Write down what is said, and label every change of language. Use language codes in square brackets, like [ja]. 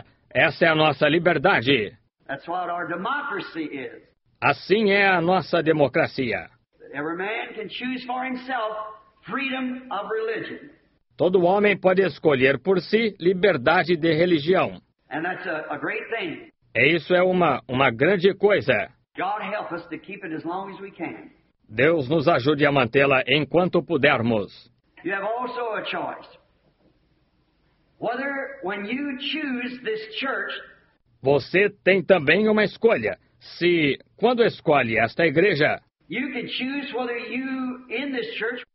[pt] Essa é a nossa liberdade. [en] That's what our democracy is. [pt] Assim é a nossa democracia. [en] Every man can choose for himself. Freedom of religion. [pt] Todo homem pode escolher por si liberdade de religião. [en] And that's a great thing. [pt] E isso é uma grande coisa. [en] God help us to keep it as long as we can. [pt] Deus nos ajude a mantê-la enquanto pudermos. [en] You have also a choice. Whether when you choose this church. [pt] Você tem também uma escolha. Se quando escolhe esta igreja. [en] You can choose whether you in this church.